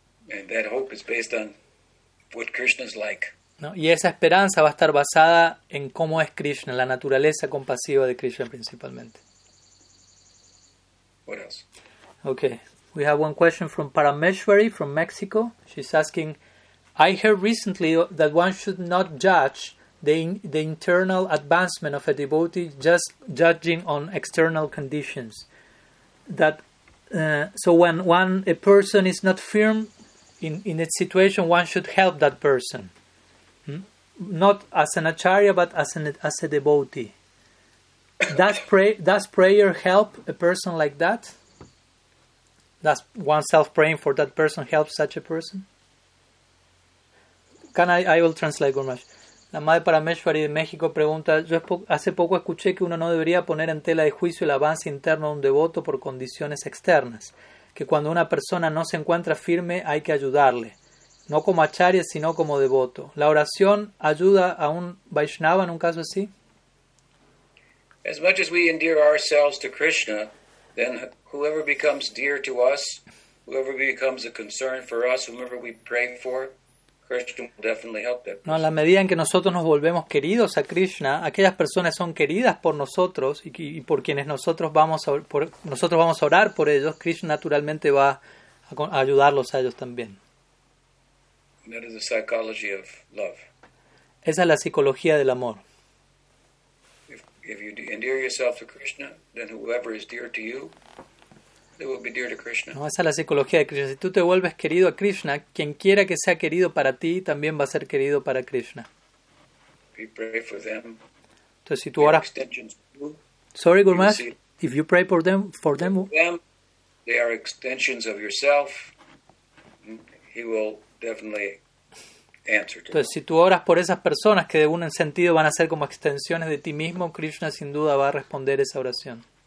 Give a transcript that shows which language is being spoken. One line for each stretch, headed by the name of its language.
English: And that hope is based on what Krishna's like.
Spanish: ¿No? Y esa esperanza va a estar basada en cómo es Krishna, la naturaleza compasiva de Krishna principalmente.
English: What else? Okay, we have one question from Parameshwari from Mexico. She's asking, I heard recently that one should not judge the internal advancement of a devotee just judging on external conditions. That so when a person is not firm in its situation, one should help that person, not as an acharya but as a devotee. Does prayer help a person like that? Does oneself praying for that person help such a person? I will translate, Gurmash.
Spanish: La madre Parameshwari de México pregunta, yo hace poco escuché que uno no debería poner en tela de juicio el avance interno de un devoto por condiciones externas, que cuando una persona no se encuentra firme hay que ayudarle, no como acharya sino como devoto. ¿La oración ayuda a un Vaishnava en un caso así?
English: As much as we endear ourselves to Krishna, then whoever becomes dear to us, whoever becomes a concern for us, whoever we pray for, Krishna will definitely help that person.
Spanish: No, a la medida en que nosotros nos volvemos queridos a Krishna, aquellas personas son queridas por nosotros y por quienes nosotros vamos a orar por ellos, Krishna naturalmente va a ayudarlos a ellos también.
English: That is the psychology of love.
Spanish: Esa es la psicología del amor.
English: If you endear yourself to Krishna, then whoever is dear to you, it will be dear to Krishna.
Spanish: No, esa es la psicología de Krishna. Si tú te vuelves querido a Krishna, quien quiera que sea querido para ti también va a ser querido para Krishna.
English: We pray for them.
Spanish: Entonces, si tú oras.
English: Sorry, Gurmash. If you pray for them, they they are extensions of yourself, he will definitely answer to
Spanish: Entonces,
English: them.
Spanish: Si tú oras por esas personas que de un sentido van a ser como extensiones de ti mismo, Krishna sin duda va a responder esa oración.